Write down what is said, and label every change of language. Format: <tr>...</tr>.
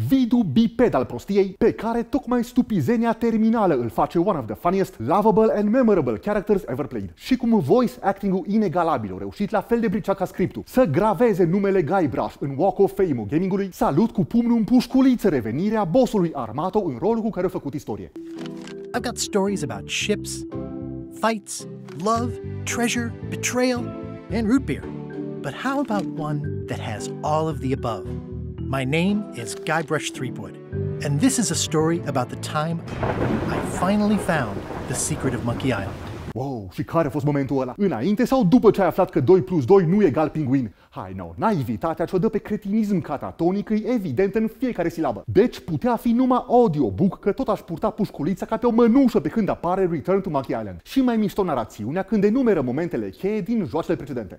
<ro>Vidu biped al prostiei pe care tocmai stupizenia terminală îl face</ro> <en>one of the funniest, lovable and memorable characters ever played.</en> <ro>Și cum voice acting-ul inegalabil a reușit la fel de briceat ca scriptul să graveze numele Guybrush în Walk of Fame-ul gamingului, salut cu pumnul în pușculiță revenirea bossului Armato în rolul cu care a făcut istorie.</ro> <en>I've got stories about ships, fights, love, treasure, betrayal, and root beer. But how about one that has all of the above? My name is Guybrush Threepwood, and this is a story about the time I finally found the secret of Monkey Island.</en> <ro>Wow, și care a fost momentul ăla? Înainte sau după ce ai aflat că 2 plus 2 nu e egal pinguin? Hai, no, naivitatea ce-o dă pe cretinism catatonic e evident în fiecare silabă. Deci putea fi numai audiobook că tot aș purta pușculița ca pe o mănușă pe când apare Return to Monkey Island. Și mai mișto narațiunea când enumeră momentele cheie din joacele precedente.</ro>